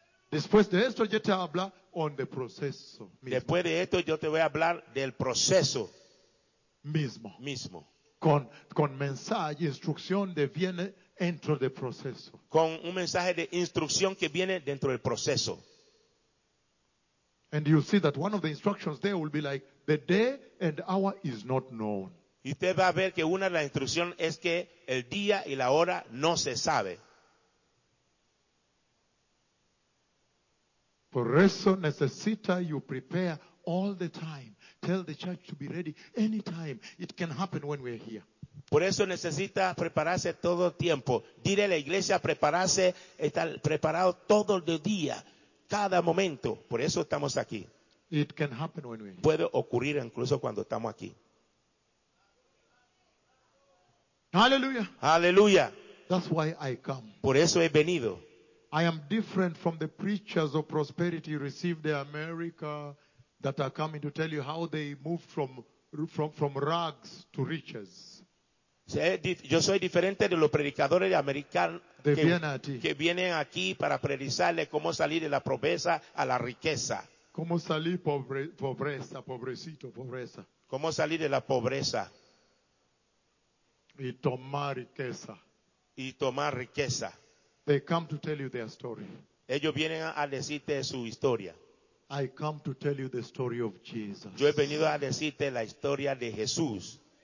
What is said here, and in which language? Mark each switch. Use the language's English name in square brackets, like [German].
[Spanish] Después de esto yo te hablo [English] on the [Spanish] proceso mismo. Después de esto yo te voy a hablar del proceso mismo. Con mensaje, instrucción de viene dentro del proceso. Con un mensaje de instrucción que viene dentro del proceso. [English] And you see that one of the instructions there will be like the day and hour is not known. [Spanish] Y usted va a ver que una de las instrucciones es que el día y la hora no se sabe. Por eso necesita [English] you prepare all the time. Tell the church to be ready anytime. It can happen when we're here. [Spanish] Por eso necesita prepararse todo tiempo. Dile a la iglesia prepararse, estar preparado todo el día, cada momento. Por eso estamos aquí. [English] It can happen when we're here. [Spanish] Puede ocurrir incluso cuando estamos aquí. Hallelujah. Hallelujah. [English] That's why I come. [Spanish] Por eso he venido. [English] I am different from the preachers of prosperity you received in America that are coming to tell you how they moved from rags to riches. [Spanish] Yo soy diferente de los predicadores de América que vienen aquí para predicarle cómo salir de la pobreza a la riqueza. Cómo salir pobreza, pobrecito, pobreza. Cómo salir de la pobreza. Y tomar riqueza. Y tomar riqueza. [English] They come to tell you their story. [Spanish] Ellos vienen a decirte su historia. [English] I come to tell you the story of Jesus. [Spanish] Yo he venido a decirte la historia de Jesús.